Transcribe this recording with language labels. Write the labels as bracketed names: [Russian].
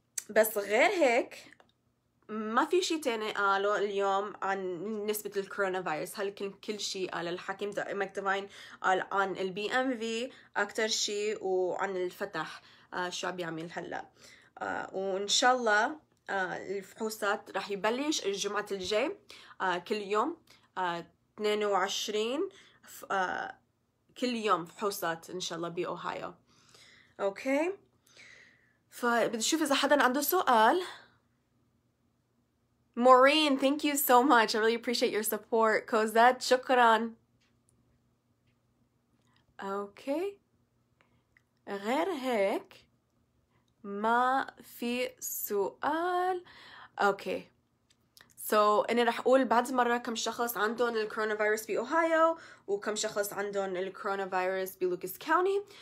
[Arabic] بس غير هيك ما في شيء تاني قالوا اليوم عن نسبة الكورونا فيروس هل كل شيء قال الحكيم مايك دوين قال عن البي ام في أكتر شيء وعن الفتح شو عم يعمل هلا وإن شاء الله الفحوصات رح يبلش الجمعة الجاي كل يوم 22 كل يوم فحوصات إن شاء الله بأوهايو. أوكي، فبدي أشوف إذا حدا عنده سؤال. [English] Maureen, thank you so much. I really appreciate your support. [Arabic] Cosette, شكراً. Okay. غير هيك ما في سؤال. Okay. So, أنا رح أقول بعد مرة كم شخص عندهم الكورونافيروس بأوهايو وكم شخص عندهم الكورونافيروس بلوكس كاوني.